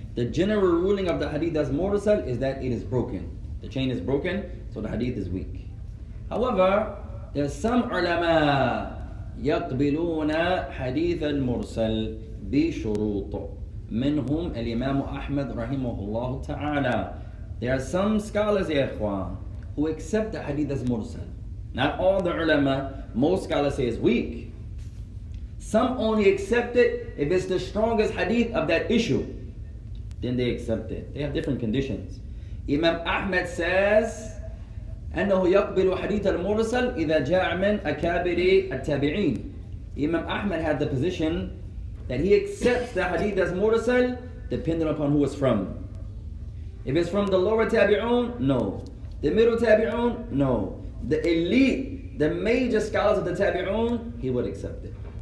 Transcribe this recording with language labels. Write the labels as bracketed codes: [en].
[en] The general ruling of the hadith that's مرسل is that it is broken. The chain is broken, so the hadith is weak. However, there are some علماء [ar] يقبلون حديث المرسل بشروط منهم الإمام أحمد رحمه الله تعالى. [en] There are some scholars, [ar] يا إخوان, [en] who accept the hadith as mursal. Not all the ulama, most scholars say it's weak. Some only accept it if it's the strongest hadith of that issue. Then they accept it. They have different conditions. Imam Ahmed says, [ar] أنه يقبل حديث المرسل إذا جاء من أكابر التابعين. [en] Imam Ahmed had the position that he accepts the hadith as mursal depending upon who it's from. If it's from the lower tabi'un, no. The middle tabi'un, no. The elite, the major scholars of the tabi'un, he would accept it.